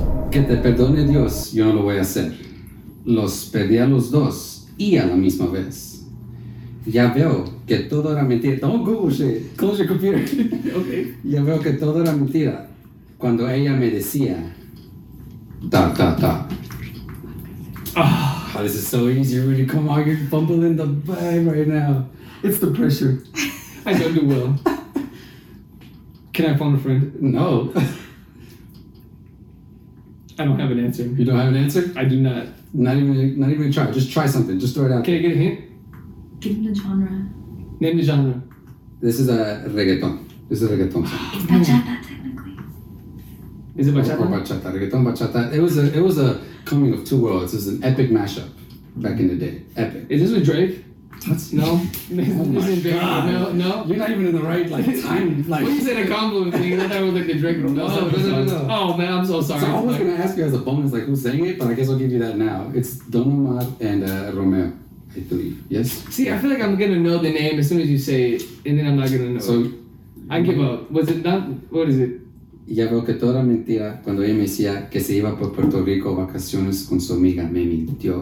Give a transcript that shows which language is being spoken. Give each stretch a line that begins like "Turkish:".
Spanish: Que te perdone Dios, yo no lo voy a hacer. Los perdí a los dos y a la misma vez. Ya veo que todo era mentira.
English: Don't Google shit. Close your computer.
Spanish: Okay. Ya veo que todo era mentira cuando ella me decía ta, ta, ta.
English: Oh, this is so easy, Rudy. Come on, you're fumbling the bag right now. It's the pressure. I don't do well. Can I phone a friend? No. I don't have an answer. You don't have an answer? I do not. Not even try. Just try something. Just throw it out. Can I get a hint? Give me the genre. Name the genre. This is a reggaeton. This is a reggaeton song. It's bachata, technically. Is it bachata? Or bachata. Reggaeton, bachata. It was a coming of two worlds. It was an epic mashup back in the day. Epic. Is this with Drake? That's... No? Oh my God. No? You're not even in the right, like, time. Like, when you said a compliment thing, I thought it was like the Drake. No. Oh, man, I'm so sorry. So I was going to ask you as a bonus, like, who's saying it, but I guess I'll give you that now. It's Don Omar and Romeo, I believe. Yes? See, I feel like I'm going to know the name as soon as you say it, and then I'm not going to know so, it. I give up. Was it not... What is it?
Spanish: Ya veo que toda mentira cuando ella me decía que se iba por Puerto Rico vacaciones con su amiga, me mintió.